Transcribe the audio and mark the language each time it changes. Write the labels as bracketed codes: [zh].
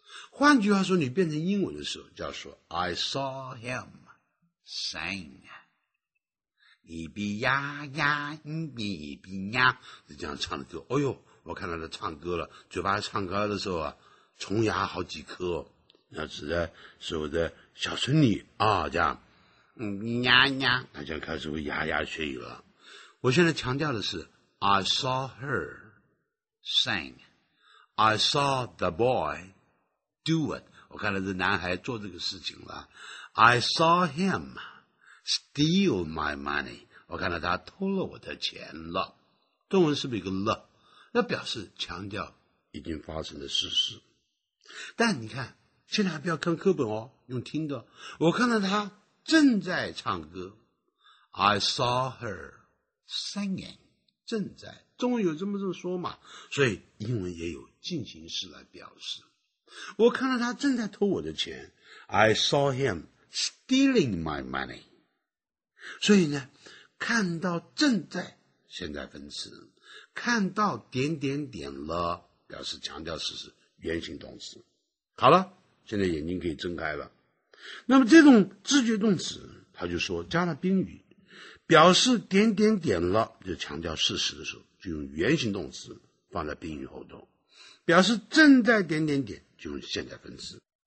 [zh] 换句话说，你变成英文的时候叫说 [en] I saw him sing, [zh] 你比呀呀你比呀，这样唱的歌，哎呦，我看到他唱歌了，嘴巴唱歌的时候啊，虫牙好几颗，那指的是我的小孙女啊，这样呀呀，他就开始会牙牙学语了。我现在强调的是 [en] I saw her sing. I saw the boy do it. [zh] 我看到这男孩做这个事情了。 [en] I saw him steal my money. [zh] 我看到他偷了我的钱了。动文是不是一个了？那表示强调已经发生的事实。但你看，现在还不要看课本哦，用听的。我看到他正在唱歌。 [en] I saw her singing, [zh] 正在。中文有这么这么说嘛，所以英文也有进行式来表示。我看到他正在偷我的钱。 [en] I saw him stealing my money. [zh] 所以呢，看到正在现在分词，看到点点点了，表示强调事实，原形动词。好了，现在眼睛可以睁开了。那么这种自觉动词，他就说加了宾语，表示点点点了，就强调事实的时候，就用原形动词放在宾语后头；表示正在点点点，就用现在分词。